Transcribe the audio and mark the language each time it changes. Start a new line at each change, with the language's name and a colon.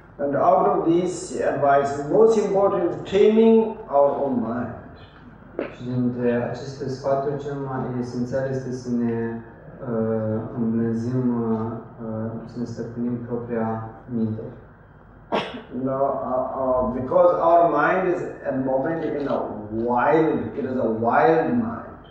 English: And out of this advice, most important is taming our own mind.
Romanian: Și dintre aceste sfaturi, cel mai esențial este să ne îmblânzim, să ne stăpânim propria minte.
English: Because our mind is a moment in a wild, it is a wild mind.